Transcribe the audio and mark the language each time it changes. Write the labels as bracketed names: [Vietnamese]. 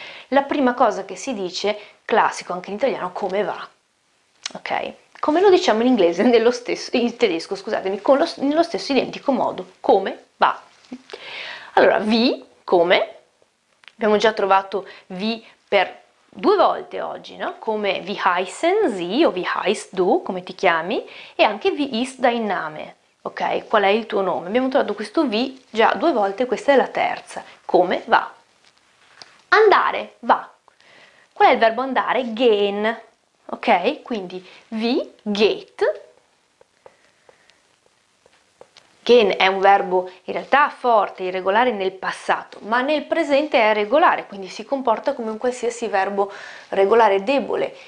[Italian] La prima cosa che si dice, classico anche in italiano, come va? Ok? Come lo diciamo in inglese, nello stesso, in tedesco, scusatemi, nello stesso identico modo, come va? Allora, vi, come? Abbiamo già trovato vi per due volte oggi, no? [German] Come wie heißen Sie o wie heißt du, [Italian] come ti chiami, e anche [German] wie ist dein Name, ok? [Italian] Qual è il tuo nome? Abbiamo trovato questo wie già due volte, questa è la terza. Come va? Andare, va. Qual è il verbo andare? [German] Gehen, ok? [Italian] Quindi [German] wie geht. [Italian] Gehen è un verbo in realtà forte, irregolare nel passato, ma nel presente è regolare, quindi si comporta come un qualsiasi verbo regolare debole.